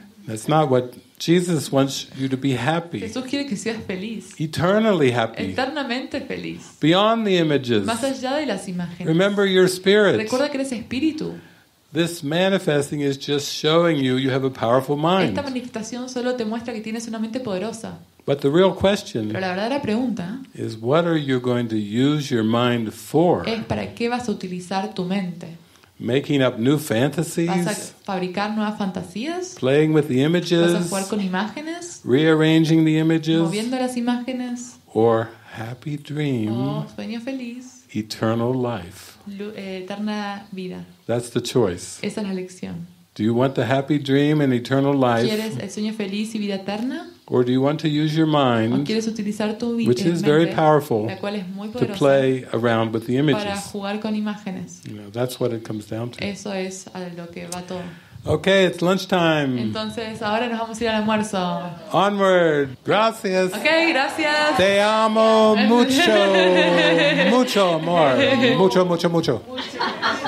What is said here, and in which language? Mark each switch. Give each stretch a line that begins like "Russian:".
English: That's not what Jesus wants you to be happy.
Spanish: Jesús quiere que seas feliz.
English: Eternally happy.
Spanish: Eternamente feliz.
English: Beyond the images.
Spanish: Más allá de las imágenes.
English: Remember your spirit.
Spanish: Recuerda que eres espíritu.
English: This manifesting is just showing you you have a powerful mind.
Spanish: Esta manifestación solo te muestra que tienes una mente poderosa.
English: But the real question
Spanish: Pero la verdadera pregunta
English: is what are you going to use your mind for?
Spanish: Es para qué vas a utilizar tu mente.
English: Making up new fantasies?
Spanish: ¿Vas a fabricar nuevas fantasías?
English: Playing with the images?
Spanish: ¿Vas a jugar con imágenes?
English: Rearranging the images?
Spanish: Moviendo las imágenes?
English: Or happy dream?
Spanish: O sueño feliz.
English: Eternal life.
Spanish: Eterna vida.
English: That's the choice.
Spanish: Esa es la elección.
English: Do you want the happy dream and eternal life?
Spanish: ¿Quieres el sueño feliz y vida eterna?
English: Or do you want to use your mind,
Spanish: ¿O quieres utilizar tu
English: mente, which is very powerful,
Spanish: la cual es muy poderosa,
English: to play around with the images?
Spanish: Para jugar con imágenes.
English: You know, that's what it comes down to.
Spanish: Eso es a lo que va todo.
English: Okay, it's lunchtime.
Spanish: Entonces, ahora nos vamos a ir al almuerzo.
English: Onward. Gracias.
Spanish: Okay, gracias. Te amo mucho. Mucho amor. Mucho, mucho, mucho.